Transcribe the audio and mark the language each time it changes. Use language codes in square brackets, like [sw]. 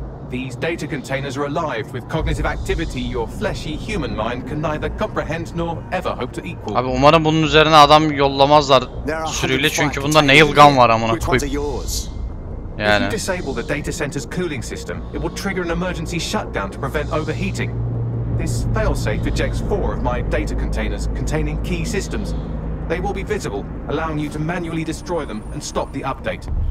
[en] These data containers are alive with cognitive activity your fleshy human mind can neither comprehend nor ever hope to equal. [tr] Abi umarım bunun üzerine adam yollamazlar sürüyle, çünkü bunda nail gun var amına koyayım. Yani. [en] If you disable the data center's cooling system, it will trigger an emergency shutdown to prevent overheating. This failsafe ejects four of my data containers containing key systems. They will be visible, allowing you to manually destroy them and stop the update.